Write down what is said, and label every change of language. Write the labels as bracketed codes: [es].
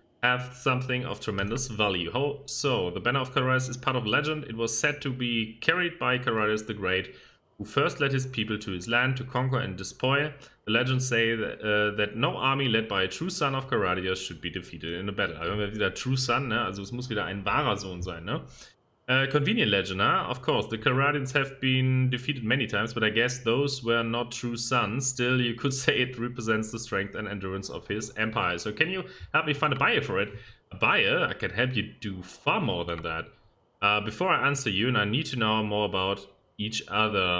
[en] have something of tremendous value. How so? The banner of Calradus is part of legend. It was said to be carried by Calradus the Great, who first led his people to his land to conquer and despoil. The legends say that no army led by a true son of Calradus should be defeated in a battle. [de] Also, wenn wir wieder [en] true son, [de] ne? Also es muss wieder ein wahrer Sohn sein, ne? [en] Convenient legend, huh? Of course, the Calradians have been defeated many times, but I guess those were not true sons. Still, you could say it represents the strength and endurance of his empire. So, can you help me find a buyer for it? A buyer? I can help you do far more than that. Before I answer you, and I need to know more about each other.